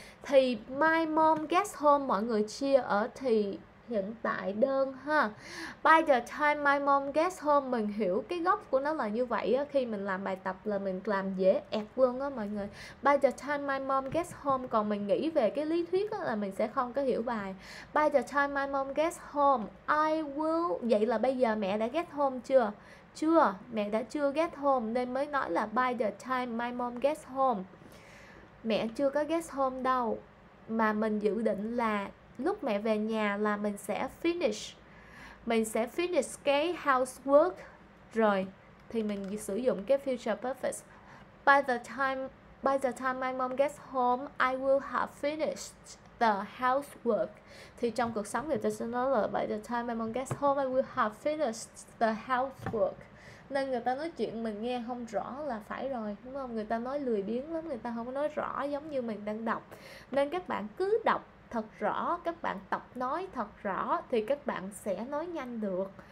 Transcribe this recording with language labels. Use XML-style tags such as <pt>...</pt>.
<vi>Thì</vi> <en>my mom gets home,</en> <vi>mọi người chia ở thì hiện tại đơn ha.</vi> <en>By the time my mom gets home,</en> <vi>mình hiểu cái gốc của nó là như vậy á. Khi mình làm bài tập là mình làm dễ ẹt luôn á mọi người.</vi> <en>By the time my mom gets home,</en> <vi>còn mình nghĩ về cái lý thuyết á là mình sẽ không có hiểu bài.</vi> <en>By the time my mom gets home, I will.</en> <vi>Vậy là bây giờ mẹ đã get home chưa? Chưa, mẹ đã chưa get home nên mới nói là</vi> <en>by the time my mom gets home.</en> <vi>Mẹ chưa có get home đâu. Mà mình dự định là lúc mẹ về nhà là mình sẽ finish cái housework rồi thì mình sử dụng cái future perfect.</vi> <en>By the time my mom gets home, I will have finished the housework.</en> <vi>Thì trong cuộc sống người ta sẽ nói là</vi> <en>by the time my mom gets home, I will have finished the housework.</en> <vi>Nên người ta nói chuyện mình nghe không rõ là phải rồi, đúng không? Người ta nói lười biếng lắm, người ta không có nói rõ giống như mình đang đọc. Nên các bạn cứ đọc thật rõ, các bạn tập nói thật rõ thì các bạn sẽ nói nhanh được.</vi>